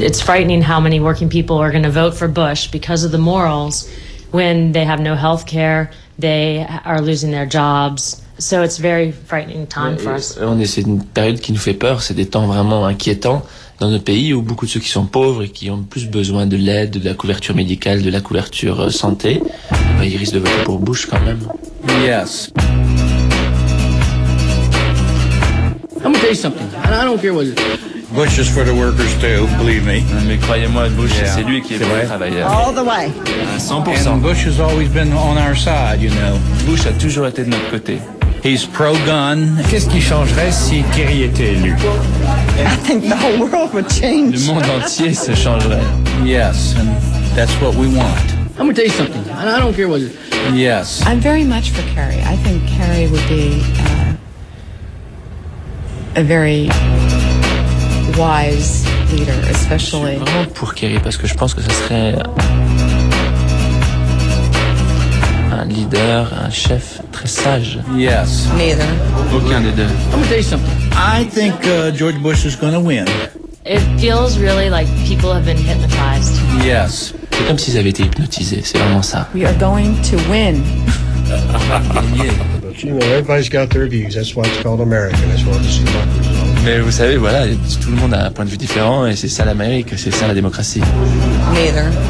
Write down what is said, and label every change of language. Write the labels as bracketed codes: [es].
[en] It's frightening how many working people are going to vote for Bush because of the morals when they have no health care, they are losing their jobs. So it's very frightening time for us. [fr] C'est une période qui nous fait peur, c'est des temps vraiment inquiétants. Dans notre pays où beaucoup de ceux qui sont pauvres et qui ont plus besoin de l'aide, de la couverture médicale, de la couverture santé, ils risquent de voter pour Bush quand même. [en] Yes. I'm gonna tell you something. I don't care what it is. Bush is for the workers too, believe me. [fr] Mais croyez-moi, Bush, yeah, c'est lui qui est pour les travailleurs. [en] All the way. 100%. And Bush has always been on our side, you know. [fr] Bush a toujours été de notre côté. [en] He's pro-gun. [fr] Qu'est-ce qui changerait si Kerry était élu? [en] I think the whole world would change. [fr] Le monde entier se changerait. [en] Yes, and that's what we want. I'm going to tell you something. I don't care what it is. Yes. I'm very much for Carrie. I think Carrie would be a very wise leader, especially. [fr] Je suis vraiment pour Carrie parce que je pense que ça serait un leader, un chef très sage. [en] Yes. Neither. [fr] Aucun des deux. [en] I'm going to tell you something. I think George Bush is going to win. It feels really like people have been hypnotized. Yes. [fr] C'est comme s'ils avaient été hypnotisés, c'est vraiment ça. [en] We are going to win. You know, everybody's got their views. That's why it's called America. That's why it's called America. [fr] Mais vous savez, voilà, tout le monde a un point de vue différent et c'est ça l'Amérique, c'est ça la démocratie. [en] Neither.